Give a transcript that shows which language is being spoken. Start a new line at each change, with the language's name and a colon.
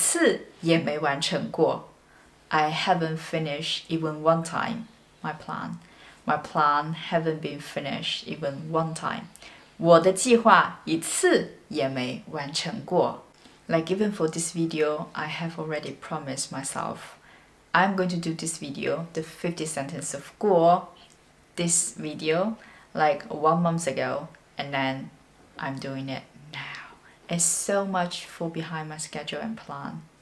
Chinese: 我的计划一次也没完成过。
English: I haven't finished even one time my plan. My plan haven't been finished even one time.
Chinese: 我的计划一次也没完成过。
English: Like even for this video, I have already promised myself, I'm going to do this video, the 50 sentence of 过, this video, like 1 month ago, and then I'm doing it now. It's so much for behind my schedule and plan.